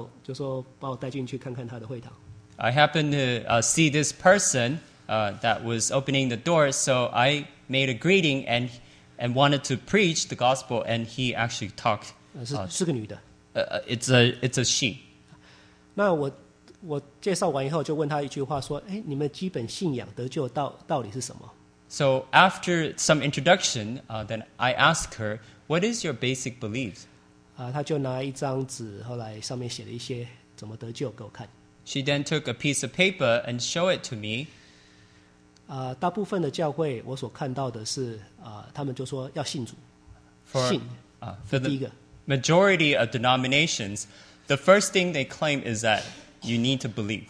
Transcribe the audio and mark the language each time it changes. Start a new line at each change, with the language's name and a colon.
Chinese: 刚好我在外面看到有一个人就是开门，我就跟他打个招呼，我想跟他传福音，他就介绍，就说把我带进去看看他的会堂。
English: I happened to see this person that was opening the door, so I made a greeting and wanted to preach the gospel, and he actually talked.
Chinese: 是个女的。
English: It's a she.
Chinese: 那我 我介绍完以后就问她一句话说，你们基本信仰得救道理是什么？
English: So after some introduction, then I asked her, what is your basic beliefs?
Chinese: 她就拿一张纸，后来上面写了一些怎么得救给我看。
English: She then took a piece of paper and showed it to me.
Chinese: 大部分的教会我所看到的是，他们就说要信主，信是第一个。
English: Majority of denominations, the first thing they claim is that you need to believe.